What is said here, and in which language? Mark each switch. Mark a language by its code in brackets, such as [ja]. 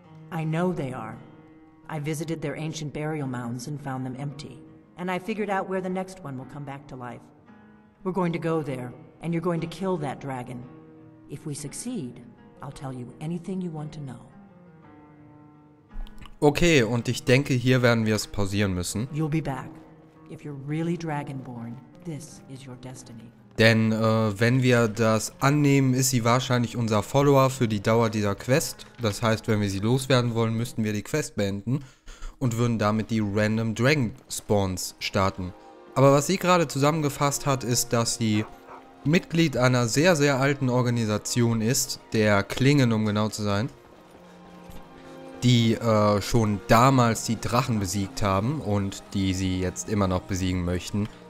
[en] I know they are. I visited their ancient burial mounds and found them empty. And I figured out where the next one will come back to life. We're going to go there, and you're going to kill that dragon. If we succeed, I'll tell you anything you want to know. [de] Okay, und ich denke, hier werden wir es pausieren müssen. [en] You'll be back. If you're really Dragonborn, this is your destiny. [de] Denn wenn wir das annehmen, ist sie wahrscheinlich unser Follower für die Dauer dieser Quest. Das heißt, wenn wir sie loswerden wollen, müssten wir die Quest beenden und würden damit die Random Dragon Spawns starten. Aber was sie gerade zusammengefasst hat, ist, dass sie Mitglied einer sehr, sehr alten Organisation ist, der Klingen, um genau zu sein, die schon damals die Drachen besiegt haben und die sie jetzt immer noch besiegen möchten.